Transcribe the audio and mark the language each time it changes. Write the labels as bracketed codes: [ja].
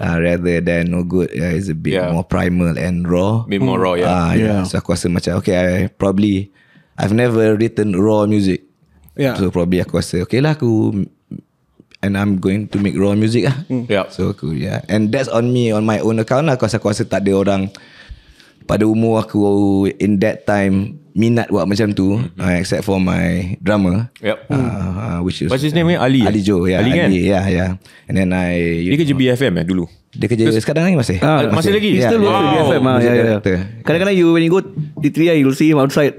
[en] Rather than no good, it's a bit more primal and raw. Bit more raw, So [ms] aku rasa macam [en] okay, I probably, I've never written raw music. Yeah. So probably [ms] aku rasa okay lah aku, [en] and I'm going to make raw music lah. So aku and that's on me, on my own account lah. [ms] Kuasa aku rasa tak ada orang pada umur aku [en] in that time [ms] minat buat macam tu. [en] Except for my drummer. Which is, what's his name? Ali. Ali Joe. Yeah, [ms] Ali kan? [en] Ali, yeah, yeah. And then I, [ms] dia kerja BFM eh dulu? Dia kerja sekarang lagi masih? Masih lagi? [en] Yeah, still working BFM lah. Kadang-kadang you, when you go D3, you'll see him outside.